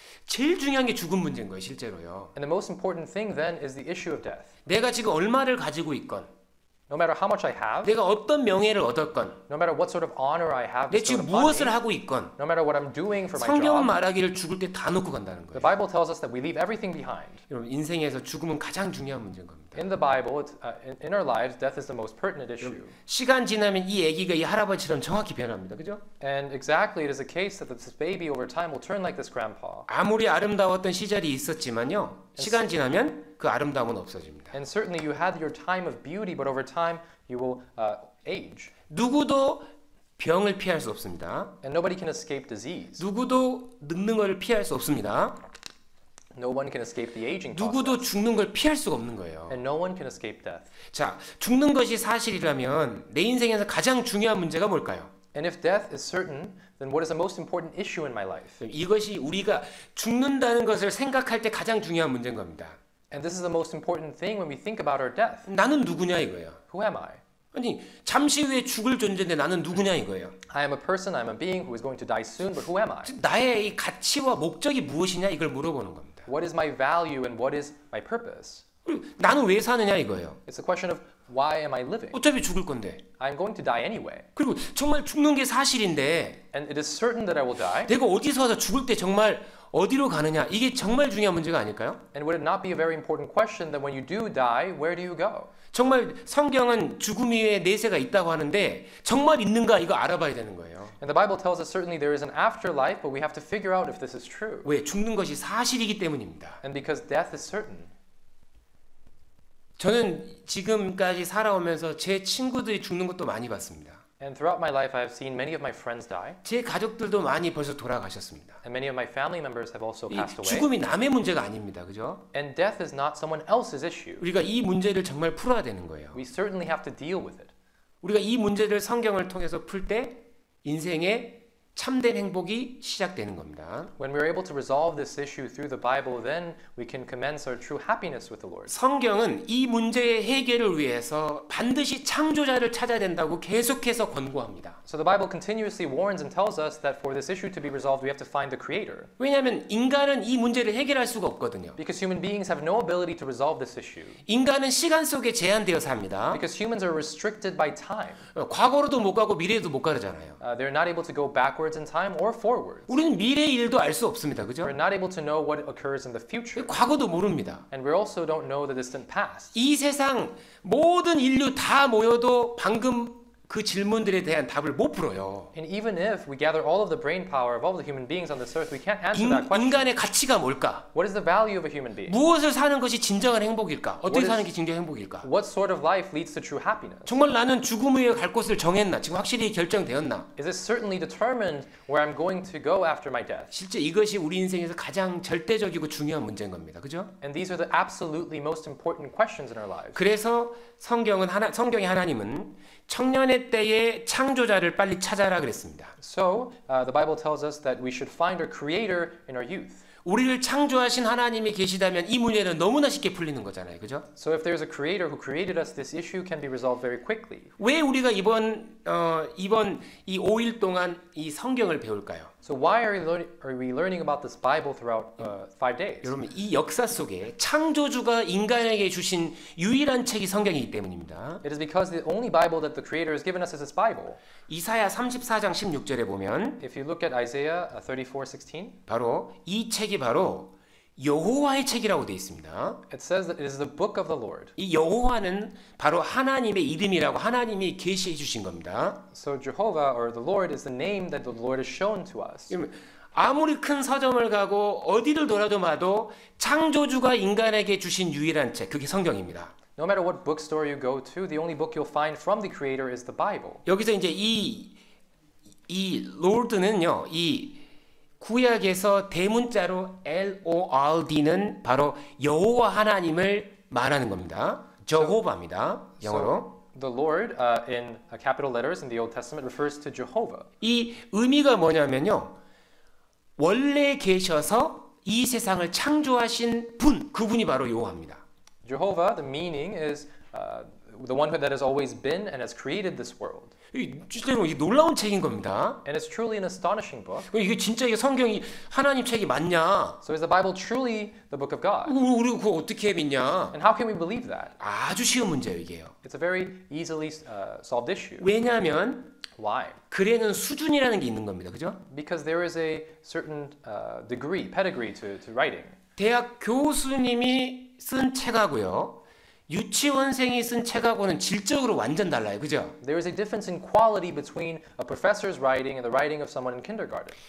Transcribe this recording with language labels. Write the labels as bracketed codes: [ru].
[ko] 제일 중요한 게 죽음 문제인 거예요, 실제로요. [en] And the most important thing then is the issue of death. [ko] 내가 지금 얼마를 가지고 있건, [en] no matter how much I have, [ko] 내가 어떤 명예를 얻었건, [en] no matter what sort of honor I have, [ko] 내가 지금 무엇을 [en] money, [ko] 하고 있건, [en] no matter what I'm doing for my job, [ko] 성경은 말하기를 죽을 때 다 놓고 간다는 거예요. [en] The Bible tells us that we leave everything behind. [ko] 여러분, 인생에서 죽음은 가장 중요한 문제인 겁니다. [en] In the Bible, in our lives, death is the most pertinent issue. [ko] 시간 지나면 이 아기가 이 할아버지처럼 정확히 변합니다. 그죠? [en] And exactly, it is a case that this baby over time will turn like this grandpa. [ko] 아무리 아름다웠던 시절이 있었지만요, 시간 지나면 그 아름다움은 없어집니다. [en] And certainly you had your time of beauty, but over time you will age. [ko] 누구도 병을 피할 수 없습니다. [en] And nobody can escape disease. [ko] 누구도 늙는 걸 피할 수 없습니다. [en] No one can escape the aging. [ko] 누구도 [en] process. [ko] 죽는 걸 피할 수가 없는 거예요. [en] And no one can escape death. [ko] 자, 죽는 것이 사실이라면 내 인생에서 가장 중요한 문제가 뭘까요? [en] And if death is certain, then what is the most important issue in my life? [ko] 이것이 우리가 죽는다는 것을 생각할 때 가장 중요한 문제인 겁니다. [en] And this is the most important thing when we think about our death. [ko] 나는 누구냐 이거예요. [en] Who am I? [ko] 아니, 잠시 후에 죽을 존재인데 나는 누구냐 이거예요. [en] I am a person, I am a being who is going to die soon, but who am I? [ko] 나의 이 가치와 목적이 무엇이냐 이걸 물어보는 겁니다. [en] What is my value and what is my purpose? [ko] 나는 왜 사느냐 이거예요. [en] It's a question of why am I living? [ko] 어차피 죽을 건데. [en] I'm going to die anyway. [ko] 그리고 정말 죽는 게 사실인데 [en] and it is certain that I will die. [ko] 내가 어디서 와서 죽을 때 정말 어디로 가느냐? 이게 정말 중요한 문제가 아닐까요? [en] And would it not be a very important question that when you do die, where do you go? [ko] 정말 성경은 죽음 이후에 내세가 있다고 하는데 정말 있는가 이거 알아봐야 되는 거예요. [en] And the Bible tells us certainly there is an afterlife, but we have to figure out if this is true. [ko] 왜? 죽는 것이 사실이기 때문입니다. [en] And because death is certain. [ko] 저는 지금까지 살아오면서 제 친구들이 죽는 것도 많이 봤습니다. [en] And throughout my life, I have seen many of my friends die. [ko] 제 가족들도 많이 벌써 돌아가셨습니다. [en] And many of my family members have also passed away. [ko] 죽음이 남의 문제가 아닙니다, 그죠? [en] And death is not someone else's issue. [ko] 우리가 이 문제를 정말 풀어야 되는 거예요. [en] We certainly have to deal with it. [ko] 우리가 이 문제를 성경을 통해서 풀 때 인생에 참된 행복이 시작되는 겁니다. [en] When we are able to resolve this issue through the Bible, then we can commence our true happiness with the Lord. [ko] 성경은 이 문제의 해결을 위해서 반드시 창조자를 찾아야 된다고 계속해서 권고합니다. [en] So the Bible continuously warns and tells us that for this issue to be resolved, we have to find the Creator. [ko] 왜냐하면 인간은 이 문제를 해결할 수가 없거든요. [en] Because human beings have no ability to resolve this issue. [ko] 인간은 시간 속에 제한되어 삽니다. [en] Because humans are restricted by time. [ko] 과거로도 못 가고 미래도 못 가잖아요. [en] They are not able to go back. In time or forwards. [ko] 우리는 미래의 일도 알 수 없습니다. 그죠? [en] We're not able to know what occurs in the future. [ko] 과거도 모릅니다. [en] And we also don't know the distant past. [ko] 이 세상 모든 인류 다 모여도 방금 그 질문들에 대한 답을 못 풀어요. [en] And even if we gather all of the brain power of all the human beings on this earth, we can't answer that question. [ko] 인간의 가치가 뭘까? [en] What is the value of a human being? [ko] 무엇을 사는 것이 진정한 행복일까? 어떻게 사는 게 진정한 행복일까? [en] What sort of life leads to true happiness? [ko] 정말 나는 죽음 후에 갈 곳을 정했나? 지금 확실히 결정되었나? [en] Is it certainly determined where I'm going to go after my death? [ko] 실제 이것이 우리 인생에서 가장 절대적이고 중요한 문제인 겁니다. 그죠? [en] And these are the absolutely most important questions in our lives. [ko] 그래서 성경의 하나님은 청년의 때에 창조자를 빨리 찾아라 그랬습니다. [en] So, the Bible tells us that we should find our creator in our youth. [ko] 우리를 창조하신 하나님이 계시다면 이 문제는 너무나 쉽게 풀리는 거잖아요. 그죠? [en] So if there is a creator who created us, this issue can be resolved very quickly. [ko] 왜 우리가 이번 이 5일 동안 이 성경을 배울까요? [en] So why are we learning about this Bible throughout 5 days? [ko] 여러분, 이 역사 속에 창조주가 인간에게 주신 유일한 책이 성경이기 때문입니다. [en] It is because the only Bible that the Creator has given us is this Bible. [ko] 이사야 34장 16절에 보면 [en] If you look at Isaiah 34:16, [ko] 바로 이 책이 바로 여호와의 책이라고 되어 있습니다. [en] It says that it is the book of the Lord. [ko] 이 여호와는 바로 하나님의 이름이라고 하나님이 계시해 주신 겁니다. [en] So Jehovah or the Lord is the name that the Lord has shown to us. [ko] 아무리 큰 서점을 가고 어디를 돌아도 봐도 창조주가 인간에게 주신 유일한 책, 그게 성경입니다. [en] No matter what bookstore you go to, the only book you'll find from the Creator is the Bible. [ko] 여기서 이제 이 Lord는요, 이 구약에서 대문자로 LORD는 바로 여호와 하나님을 말하는 겁니다. 여호와입니다. 영어로. [en] So, the Lord in capital letters in the Old Testament refers to Jehovah. [ko] 이 의미가 뭐냐면요. 원래 계셔서 이 세상을 창조하신 분, 그분이 바로 여호와입니다. [en] Jehovah, the meaning is the one that has always been and has created this world. [ko] 실제로 이게 놀라운 책인 겁니다. [en] And it's truly an astonishing book. [ko] 이게 진짜 이게 성경이 하나님 책이 맞냐? [en] So is the Bible truly the book of God? [ko] 우리 그거 어떻게 믿냐? [en] And how can we believe that? [ko] 아주 쉬운 문제예요, 이게요. [en] It's a very easily solved issue. [ko] 왜냐하면 [en] Why? [ko] 글에는 수준이라는 게 있는 겁니다, 그죠? [en] Because there is a certain degree, pedigree to writing. [ko] 대학 교수님이 쓴 책하고요. 유치원생이 쓴 책하고는 질적으로 완전 달라요. 그죠? [en] There is a difference in quality between a professor's writing and the writing of someone in kindergarten.